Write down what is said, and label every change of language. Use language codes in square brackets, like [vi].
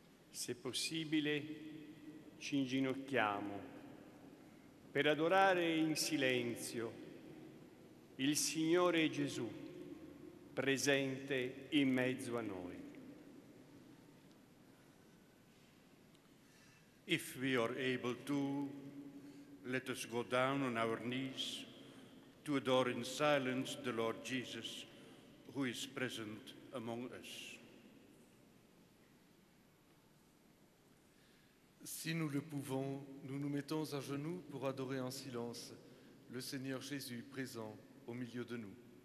[it] Se possibile, ci inginocchiamo per adorare in silenzio il Signore Gesù presente in mezzo a noi. [en] If we are able to, let us go down on our knees to adore in silence the Lord Jesus who is present among us. [fr] Si nous le pouvons, nous nous mettons à genoux pour adorer en silence le Seigneur Jésus présent au milieu de nous.